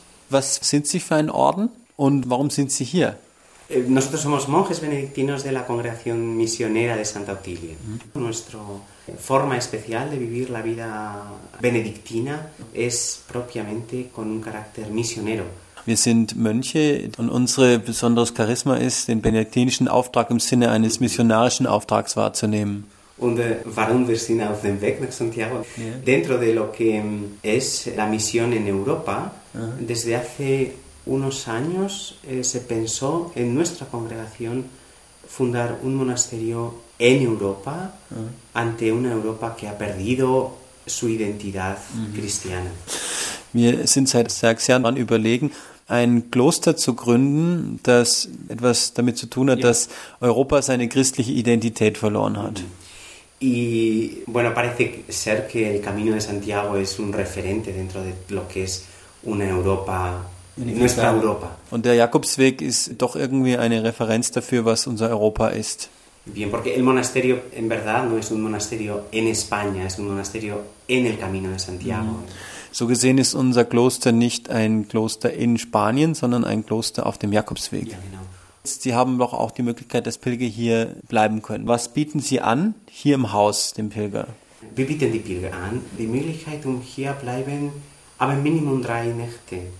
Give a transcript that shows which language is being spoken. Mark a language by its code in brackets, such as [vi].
[de] Was sind Sie für ein Orden und warum sind Sie hier? [es] Nosotros somos monjes benedictinos de la congregación misionera de Santa Otilia. Nuestra forma especial de vivir la vida benedictina es propiamente con un carácter misionero. [de] Wir sind Mönche und unsere besonderes Charisma ist, den benediktinischen Auftrag im Sinne eines missionarischen Auftrags wahrzunehmen. Und warum wir sind auf dem Weg nach Santiago? Yeah. [es] Dentro de lo que es la misión en Europa, desde hace unos años se pensó en nuestra congregación fundar un monasterio en Europa ante una Europa que ha perdido su identidad cristiana. [de] Wir sind seit 6 Jahren am Überlegen, ein Kloster zu gründen, das etwas damit zu tun hat, dass Europa seine christliche Identität verloren hat. [es] Y bueno, parece ser que el Camino de Santiago es un referente dentro de lo que es una Europa, nuestra Europa. [de] Und der Jakobsweg ist doch irgendwie eine Referenz dafür, was unser Europa ist. [es] Bien, porque el monasterio en verdad no es un monasterio en España, es un monasterio en el Camino de Santiago. [de] So gesehen ist unser Kloster nicht ein Kloster in Spanien, sondern ein Kloster auf dem Jakobsweg. Ja, genau. Sie haben doch auch die Möglichkeit, dass Pilger hier bleiben können. Was bieten Sie an, hier im Haus, dem Pilger? Wir bieten die Pilger an, die Möglichkeit, um hier bleiben, aber Minimum 3 Nächte.